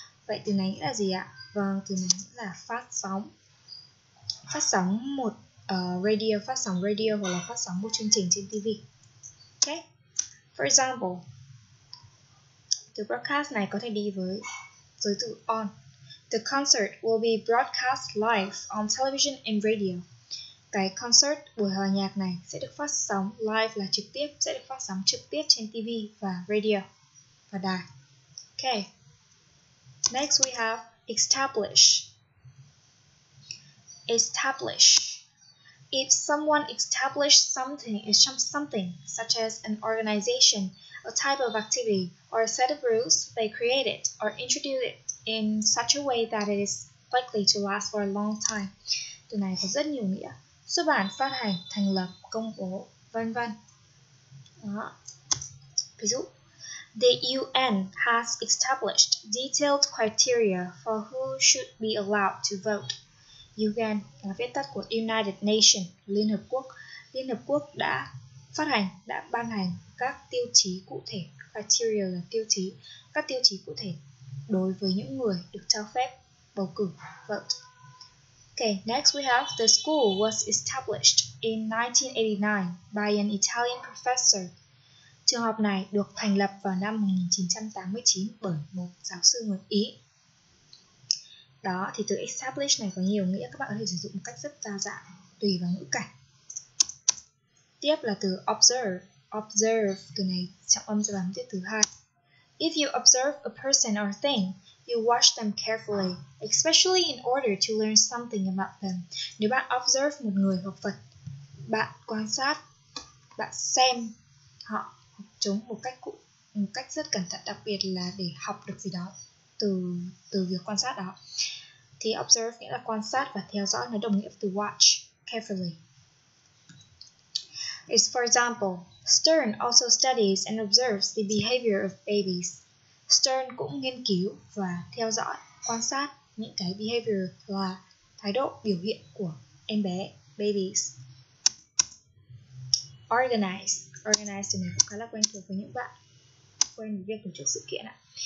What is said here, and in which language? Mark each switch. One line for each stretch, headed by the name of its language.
Vietnamese: Vậy từ này nghĩa là gì ạ? Vâng, từ này nghĩa là phát sóng. Phát sóng một radio, phát sóng radio hoặc là phát sóng một chương trình trên TV.
English: Okay. For example,
Vietnamese: từ broadcast này có thể đi với giới từ on.
English: The concert will be broadcast live on television and radio.
Vietnamese: Cái concert, buổi hòa nhạc này sẽ được phát sóng live, là trực tiếp, sẽ được phát sóng trực tiếp trên TV và radio và đài.
English: Okay. Next we have establish. Establish. If someone establishes something, it's something such as an organization, a type of activity, or a set of rules, they create it or introduce it in such a way that it is likely to last for a long time.
Vietnamese: Từ này có rất nhiều nghĩa. Xuất bản, phát hành, thành lập, công bố, vân vân. Đó. Ví dụ,
English: the UN has established detailed criteria for who should be allowed to vote.
Vietnamese: UN là viết tắt của United Nations, Liên Hợp Quốc. Liên Hợp Quốc đã phát hành, đã ban hành các tiêu chí cụ thể, criteria là tiêu chí, các tiêu chí cụ thể đối với những người được cho phép bầu cử, vote.
English: Okay, next we have the school was established in 1989 by an Italian professor.
Vietnamese: Trường học này được thành lập vào năm 1989 bởi một giáo sư người Ý. Đó, thì từ establish này có nhiều nghĩa, các bạn có thể sử dụng một cách rất đa dạng, tùy vào ngữ cảnh. Tiếp là từ observe. Observe, từ này trọng âm sẽ bằng tiết thứ hai.
English: If you observe a person or thing, you watch them carefully, especially in order to learn something about them.
Vietnamese: Nếu bạn observe một người hoặc vật, bạn quan sát, bạn xem họ hoặc chúng một cách rất cẩn thận, đặc biệt là để học được gì đó từ việc quan sát đó. Thì observe nghĩa là quan sát và theo dõi, nó đồng nghĩa từ watch, carefully.
English: It's for example, Stern also studies and observes the behavior of babies.
Vietnamese: Stern cũng nghiên cứu và theo dõi, quan sát những cái behavior là thái độ, biểu hiện của em bé, babies.
English: Organize.
Vietnamese: Organize thì mình cũng khá là quen thuộc với những bạn quen với việc tổ chức sự kiện ạ.